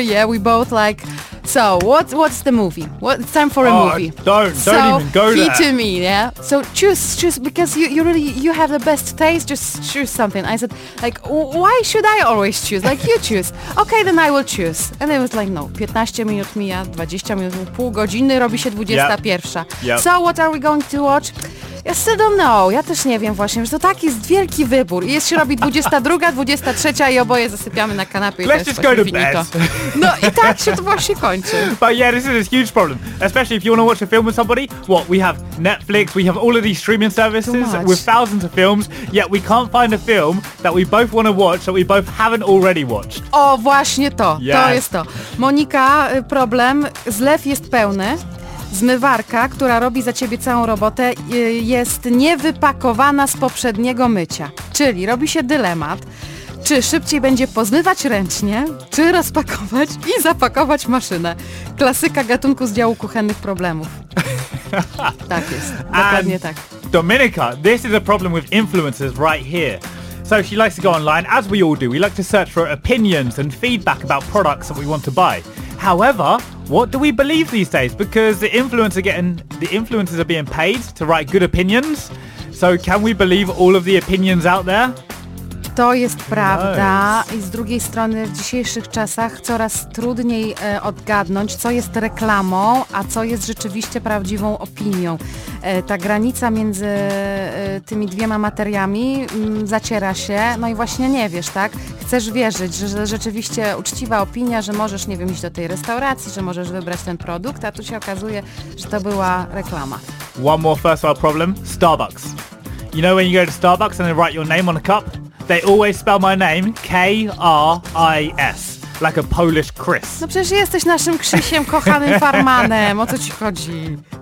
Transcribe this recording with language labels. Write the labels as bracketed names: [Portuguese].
[English] yeah, we both like, so what's the movie? It's time for a movie. Don't even go there. Key to me, yeah. So choose because you have the best taste. Just choose something. I said, like, why should I always choose? Like, you choose. Okay, then I will choose. And it was like, no. [Polish] 15 minut mija, 20 minut, pół godziny, robi się 21. [English] Yep. Yep. So what are we going to watch? [Polish] Ja [English] still don't know. [Polish] Ja też nie wiem właśnie, że to taki jest wielki wybór. Jest się robi 22, 23 i oboje zasypiamy na kanapie. [English] Let's just go to bed. [Polish] No i tak się to właśnie kończy. [English] But yeah, this is a huge problem. Especially if you want to watch a film with somebody. What, we have Netflix, we have all of these streaming services with thousands of films, yet we can't find a film that we both want to watch that we both haven't already watched. [Polish] O, właśnie to. [English] Yes. [Polish] To jest to. Monika, problem. Zlew jest pełny. Zmywarka, która robi za ciebie całą robotę, jest niewypakowana z poprzedniego mycia. Czyli robi się dylemat, czy szybciej będzie pozmywać ręcznie, czy rozpakować i zapakować maszynę. Klasyka gatunku z działu kuchennych problemów. Tak jest, dokładnie [English] and [Polish] tak. [English] Dominika, this is a problem with influencers right here. So she likes to go online, as we all do. We like to search for opinions and feedback about products that we want to buy. However, what do we believe these days? Because the influencers are being paid to write good opinions. So can we believe all of the opinions out there? [Polish] To jest prawda. I z drugiej strony w dzisiejszych czasach coraz trudniej odgadnąć, co jest reklamą, a co jest rzeczywiście prawdziwą opinią. Ta granica między tymi dwiema materiami zaciera się, no i właśnie nie wiesz, tak? Chcesz wierzyć, że rzeczywiście uczciwa opinia, że możesz, nie wiem, iść do tej restauracji, że możesz wybrać ten produkt, a tu się okazuje, że to była reklama. [English] One more first world problem, Starbucks. You know when you go to Starbucks and they write your name on a cup? They always spell my name K-R-I-S, like a Polish Chris. [Polish] No przecież jesteś naszym Krzysiem, kochanym farmanem, o co ci chodzi?